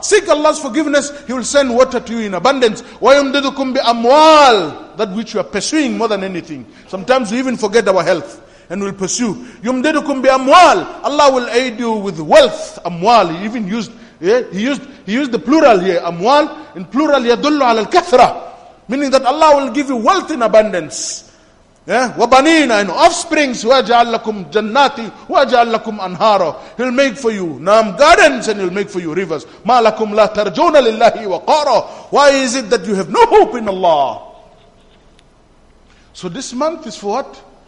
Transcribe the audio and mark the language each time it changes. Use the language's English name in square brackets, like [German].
[English] Seek Allah's forgiveness. He will send water to you in abundance. [Arabic] Wa yumdidukum bi amwal, [English] that which you are pursuing more than anything. Sometimes we even forget our health. And will pursue. [Arabic] يُمْدِدُكُمْ بِأَمْوَالِ. [English] Allah will aid you with wealth. Amwal. He even used, he used the plural here. Amwal. In plural, [Arabic] يَدُلُّ عَلَى الْكَثْرَةِ. [English] Meaning that Allah will give you wealth in abundance. [Arabic] وَبَنِينَ. [English] And offsprings. [Arabic] وَجَعَلْ لَكُمْ جَنَّاتِ. وَجَعَلْ لَكُمْ أَنْهَارَ. [English] He'll make for you Naam gardens, and he'll make for you rivers. [Arabic] مَا لَكُمْ لَا تَرْجُونَ لِلَّهِ وَقَارًا. [English] Why is it that you have no hope in Allah? So this month is for what?